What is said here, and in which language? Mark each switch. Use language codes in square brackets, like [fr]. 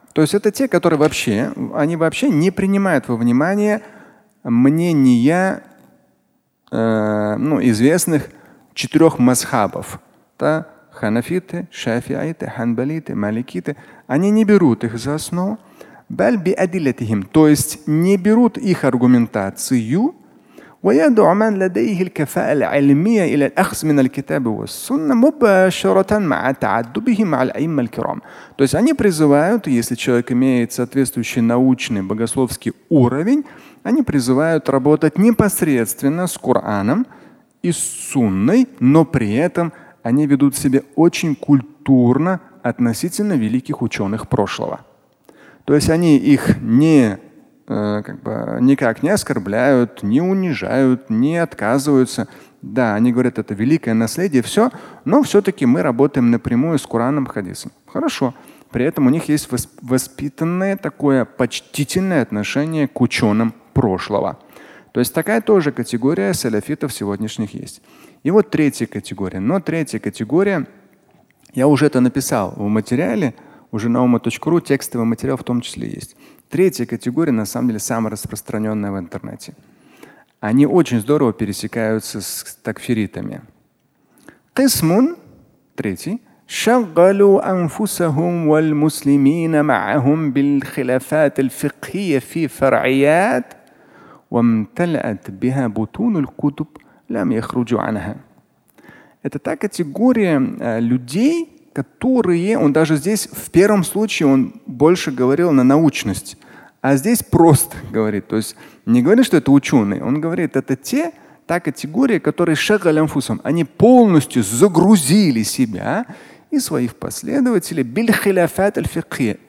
[ru] То есть это те, которые вообще, они вообще не принимают во внимание мнения известных четырех мазхабов. Да? Ханафиты, шафиаиты, ханбалиты, маликиты. Они не берут их за основу. [ar] بَلْ بِأَدِلَّتِهِمْ. [ru] То есть не берут их аргументацию. [ar] ويدعو من لديه الكفاءة العلمية إلى الأخذ من الكتاب والسنة مباشرة مع تعدبهم مع الأئمة الكرام. [ru] То есть они призывают, если человек имеет соответствующий научный богословский уровень, они призывают работать непосредственно с Кораном и с Сунной, но при этом они ведут себя очень культурно относительно великих ученых прошлого. То есть они их не как бы никак не оскорбляют, не унижают, не отказываются. Да, они говорят, это великое наследие, все, но все-таки мы работаем напрямую с Кораном, хадисом. Хорошо. При этом у них есть воспитанное такое почтительное отношение к ученым прошлого. То есть такая тоже категория саляфитов сегодняшних есть. И вот третья категория. Но третья категория, я уже это написал в материале, уже на ума.ру, текстовый материал в том числе есть. Третья категория, на самом деле, самая распространенная в интернете. Они очень здорово пересекаются с такфиритами. قِسْمٌ третий. شَغَلُوا أَنفُسَهُمْ وَالْمُسْلِمِينَ مَعَهُمْ بِالْخِلَافَاتِ الْفِقْهِيَةِ فِي فَرْعِيَاتِ وَامْتَلَأَتْ بِهَا بُطُونُ الْكُتُبِ لَمْ يَخْرُجُوا عَنْهَا. [ar] Это та категория людей, [ru] которые, он даже здесь в первом случае он больше говорил на научность, а здесь просто говорит, то есть не говорит, что это ученые, он говорит, это те, та категория, которые шагалямфусом, они полностью загрузили себя и своих последователей бильхиляфат аль-фикхия.